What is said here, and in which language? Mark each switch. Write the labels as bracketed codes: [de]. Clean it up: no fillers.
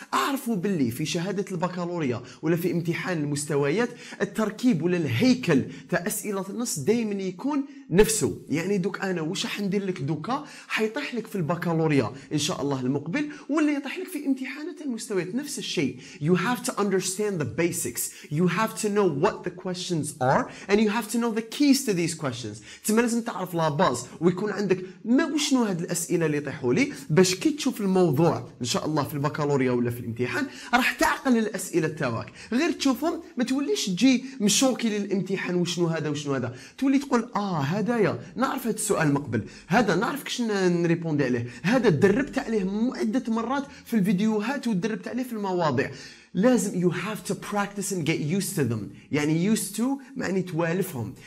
[ar] اعرفوا باللي في شهاده البكالوريا ولا في امتحان المستويات التركيب ولا الهيكل تاع اسئله النص دائما يكون نفسه. يعني دوك انا وش راح ندير لك دوكا؟ حيطيح لك في البكالوريا ان شاء الله المقبل، ولا يطيح لك في امتحانات المستويات نفس الشيء. [en] You have to understand the basics. You have to know what the questions are and you have to know the keys to these questions. [ar] تما لازم تعرف لا باز ويكون عندك ما وشنو هاد الاسئله اللي يطيحوا لي، باش كي تشوف الموضوع ان شاء الله في البكالوريا ولا في الامتحان راح تعقل الاسئله تاعك. غير تشوفهم ما توليش تجي مشوكي للامتحان وشنو هذا وشنو هذا، تولي تقول هدايا نعرف هذا السؤال مقبل، هذا نعرف كيش نريبوندي عليه، هذا دربت عليه عدة مرات في الفيديوهات ودربت عليه في المواضيع. لازم [en] you have to practice and get used to them، [ar] يعني used to معني توالفهم.